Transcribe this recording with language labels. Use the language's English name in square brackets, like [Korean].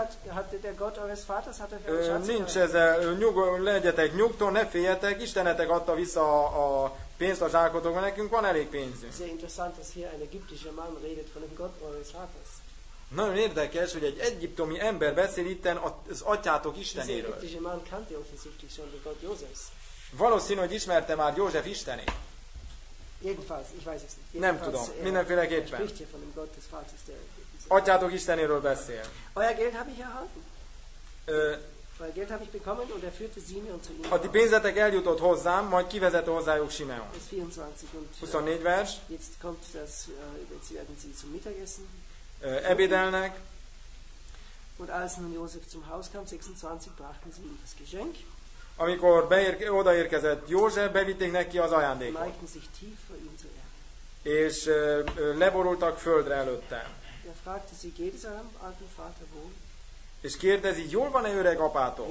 [German] hat der Gott eures Vaters, hat er für [Hungarian] nincs ezzel, legyetek nyugton, ne féljetek, Istenetek adta vissza a pénzt a zsákotokba, nekünk van elég pénzünk. [German] Sehr interessant, dass hier ein ägyptischer Mann redet von dem Gott eures Vaters. [Hungarian] Nagyon érdekes, hogy egy egyiptomi ember beszél itten az atyátok Istenéről. [German] Dieser ägyptische Mann kannte offensichtlich schon den Gott Josefs. [Hungarian] Valószínű, hogy ismerte már József Istenét. [German] Jedenfalls, ich weiß es nicht. [Hungarian] Nem tudom, mindenféleképpen. [German] Spricht hier von dem Gott des Vaters, der [Hungarian] atyátok Istenéről beszél. [German] Euer Geld habe ich erhalten. Euer Geld habe ich bekommen und er führte Simeon zu ihm. [Hungarian] A ti pénzetek eljutott hozzám, majd kivezette hozzájuk Simeon. Ez 24 [German] und [Hungarian] 24 vers. [German] Jetzt kommt das, jetzt werden sie zum Mittagessen. [Hungarian] Ebédelnek. [German] Und als nun Josef zum Haus kam, 26, brachten sie ihm das Geschenk. [Hungarian] Amikor odaérkezett József, bevitték neki az ajándékot. [German] Neigten sich tief vor ihm zur Erde. [Hungarian] És leborultak földre előtte. [German] Er fragte sie, geht es eurem alten Vater wohl? [Hungarian] És kérdezi, jól van-e öreg apátok?